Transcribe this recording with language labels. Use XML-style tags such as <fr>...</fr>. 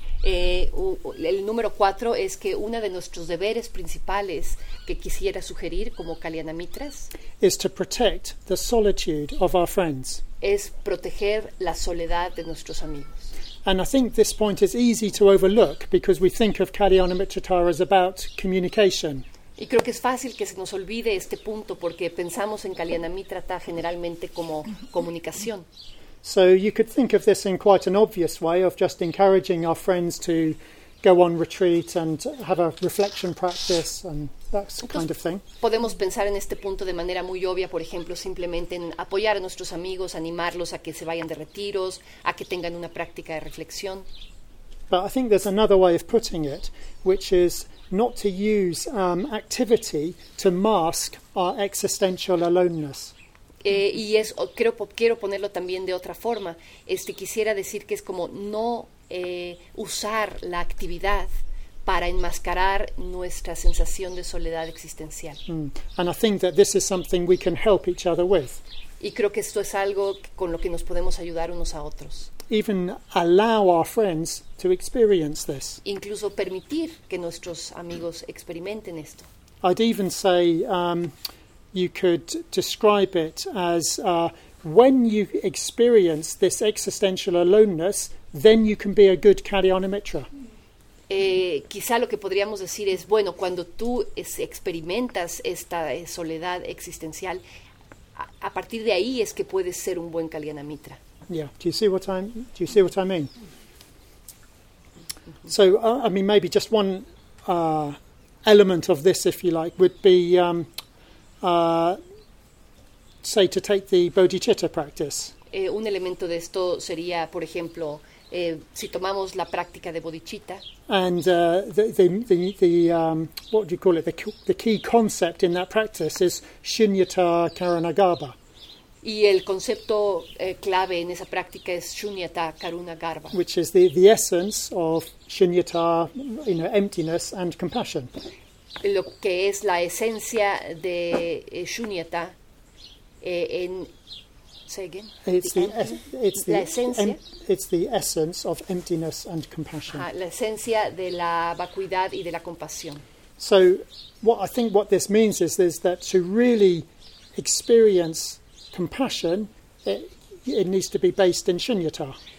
<es>El número cuatro es que uno de nuestros deberes principales que quisiera sugerir como Kalyanamitras</es> <en>is to protect the solitude of our friends.</en> <es>Es proteger la soledad de nuestros amigos.</es> <en>And I think this point is easy to overlook because we think of Kalyanamitra as about communication.</en> <es>Y creo que es fácil que se nos olvide este punto porque pensamos en Kalyanamitra generalmente como comunicación.</es> <en>So you could think of this in quite an obvious way of just encouraging our friends to go on retreat and have a reflection practice and that kind of thing.</en> <es>Podemos pensar en este punto de manera muy obvia, por ejemplo, simplemente en apoyar a nuestros amigos, animarlos a que se vayan de retiros, a que tengan una práctica de reflexión.</es> <en>But I think there's another way of putting it, which is not to use activity to mask our existential aloneness.</en> <es>Y es, creo, quiero ponerlo también de otra forma. Quisiera decir que es como no usar la actividad para enmascarar nuestra sensación de soledad existencial.</es> <en>And I think that this is something we can help each other with.</en> <es>Y creo que esto es algo con lo que nos podemos ayudar unos a otros.</es> <en>Even allow our friends to experience this.</en> <es>Incluso permitir que nuestros amigos experimenten esto.</es> <en>I'd even say you could describe it as when you experience this existential aloneness, then you can be a good kalyanamitra.</en> <es>Quizá lo que podríamos decir es, bueno, cuando tú experimentas esta soledad existencial, a partir de ahí es que puedes ser un buen kalyanamitra.</es> <en>Yeah, do you see what I mean? So, I mean, maybe just one element of this, if you like, would be, say, to take the bodhicitta practice.</en> <es>Un elemento de esto sería, por ejemplo, si tomamos la práctica de bodhicitta.</es> <en>And the key concept in that practice is shunyata karanagarbha.</en> <es>Y el concepto clave en esa práctica es shunyata karanagarbha.</es> <en>Which is the essence of shunyata, you know, emptiness and compassion.</en> <es>Lo que es la esencia de shunyata en...</es> <en>Say again. It's the essence of emptiness and compassion.</en> <es>La esencia de la vacuidad y de la compasión.</es> <en>So, what this means is that to really experience compassion, it needs to be based in shunyata.</en>